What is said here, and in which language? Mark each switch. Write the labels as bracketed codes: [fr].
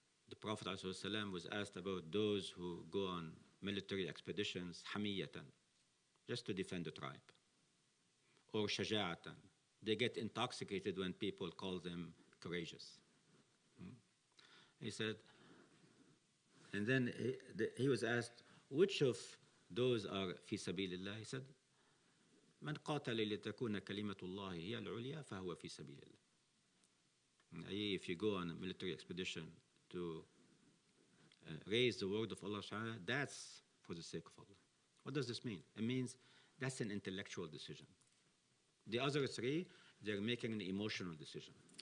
[en] The Prophet ﷺ was asked about those who go on military expeditions, hamiyatan, just to defend the tribe, or shaja'atan. They get intoxicated when people call them courageous. He said, and then he was asked, which of those are fi sabilillah? He said, [ar] من قاتل لتكون كلمة الله هي العليا فهو في سبيل الله. [en] If you go on a military expedition to raise the word of Allah, that's for the sake of Allah. What does this mean? It means that's an intellectual decision. The other three, they're making an emotional decision.